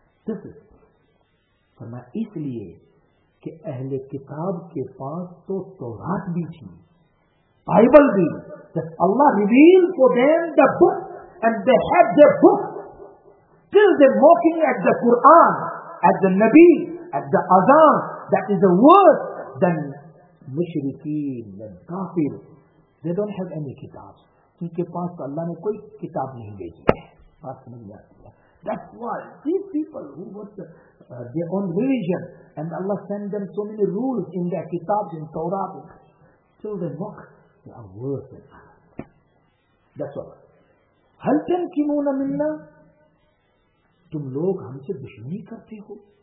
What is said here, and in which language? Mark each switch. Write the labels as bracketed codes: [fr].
[en] This is [ur] فرمایا اس لیے کہ اہل کتاب کے پاس تو تورات بھی تھی, بائبل بھی. [en] That Allah revealed for them the book and they had the book. Still they mocking at the Quran, at the Nabi, at the Azan. That is the worst than مشرکین, than کافر. They don't have any kitabs. [ur] کیونکہ پاس اللہ نے کوئی کتاب نہیں بھیجی ہے. بات سمجھ میں آتی ہے. [en] That's why these people who were their own religion and Allah sent them so many rules in their kitabs in Torah, till they mock, they are worse than us. That's all. [ar] هل تنقمون منا, [ur] تم لوگ ہم سے دشمنی کرتے ہو.